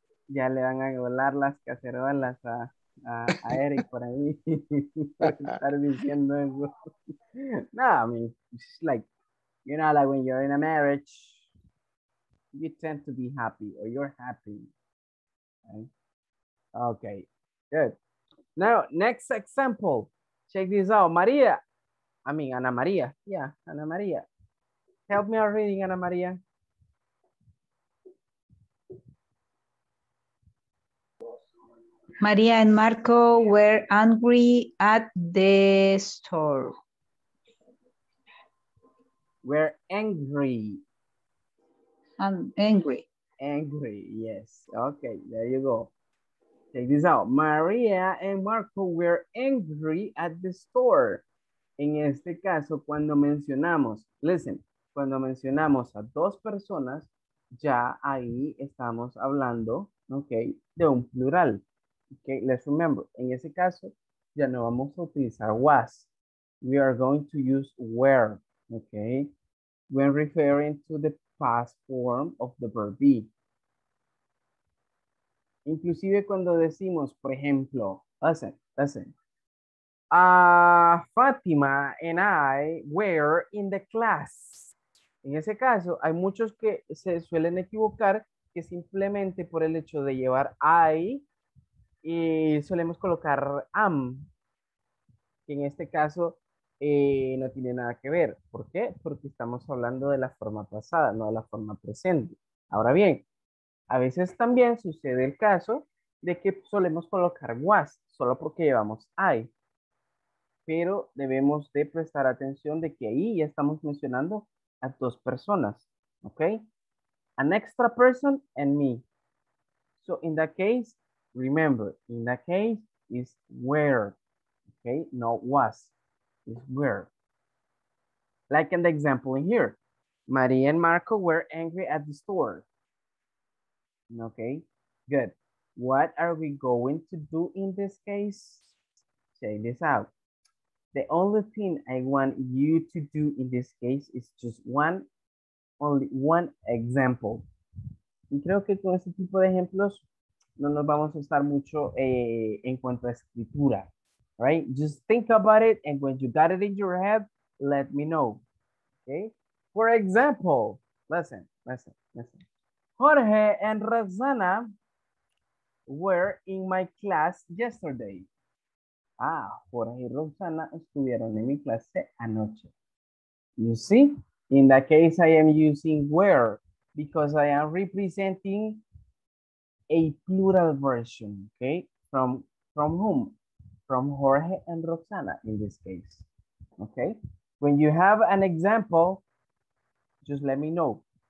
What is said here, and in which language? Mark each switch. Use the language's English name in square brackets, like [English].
[Spanish] Ya le van a volar las cacerolas a Eric por ahí. Estar diciendo eso. [English] No, I mean, it's like, you know, like when you're in a marriage, you tend to be happy or you're happy. Right? Okay, good. Now, next example. Check this out. Maria. I mean, Ana Maria. Yeah, Ana Maria. Help me out reading, Ana Maria. Maria and Marco were angry at the store. Were angry. Angry, yes. Okay, there you go. Check this out. Maria and Marco were angry at the store. [Spanish] En este caso, cuando mencionamos, listen, cuando mencionamos a dos personas, ya ahí estamos hablando, okay, de un plural. [English] Okay, let's remember, [Spanish] en ese caso, ya no vamos a utilizar was. [English] We are going to use were, okay, when referring to the past form of the verb be. [Spanish] Inclusive cuando decimos, por ejemplo, [English] listen. Fátima and I were in the class. [Spanish] En ese caso, hay muchos que se suelen equivocar que simplemente por el hecho de llevar I y solemos colocar am, que en este caso no tiene nada que ver. ¿Por qué? Porque estamos hablando de la forma pasada, no de la forma presente. Ahora bien, a veces también sucede el caso de que solemos colocar was solo porque llevamos I. Pero debemos de prestar atención de que ahí ya estamos mencionando a dos personas, ¿ok? [English] An extra person and me. So in that case, remember, in that case is where, ¿ok? No was, is where. Like in the example in here, Maria and Marco were angry at the store. Okay, good. What are we going to do in this case? Check this out. The only thing I want you to do in this case is just only one example. [Spanish] Y creo que con este tipo de ejemplos no nos vamos a estar mucho en cuanto a escritura. [English] right? Just think about it, and when you got it in your head, let me know, okay? For example, listen. Jorge and Rosanna were in my class yesterday. [Spanish] Ah, Jorge y Rosanna estuvieron en mi clase anoche. [English] You see? In that case, I am using were because I am representing a plural version, okay? From whom? From Jorge and Roxana in this case, okay? When you have an example, just let me know.